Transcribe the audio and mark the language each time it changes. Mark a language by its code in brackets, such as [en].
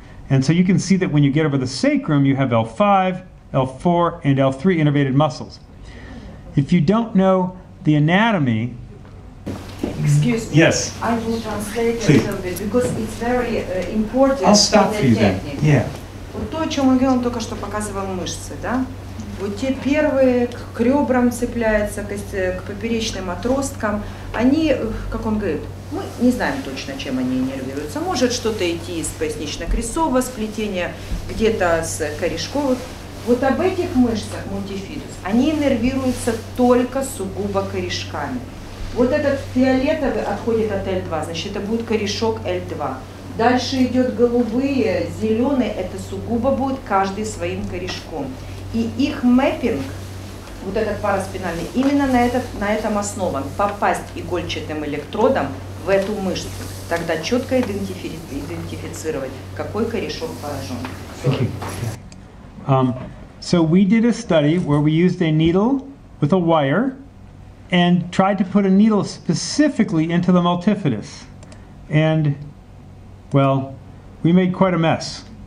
[en] And so you can see that when you get over the sacrum, you have L5, L4 and L3 innervated muscles. If you don't know the anatomy. Excuse me. Yes. I will translate a little bit, because it's very important. I'll stop for you then. Yeah. [ru] Вот то, о чем мы говорили, только что показывал мышцы, да? Вот те первые к ребрам цепляются, к поперечным отросткам. Они, как он говорит, мы не знаем точно, чем они иннервируются. Может что-то идти из пояснично-крестцового сплетения, где-то с корешковых. Вот об этих мышцах, мультифидус, они иннервируются только сугубо корешками. Вот этот фиолетовый отходит от L2, значит, это будет корешок L2. Дальше идет голубые, зеленые, это сугубо будет каждый своим корешком. И их мэппинг, вот этот параспинальный, именно на этом основан. Попасть игольчатым электродом в эту мышцу, тогда четко идентифицировать, какой корешок поражен. [en] So we did a study where we used a needle with a wire and tried to put a needle specifically into the multifidus. And, well, we made quite a mess.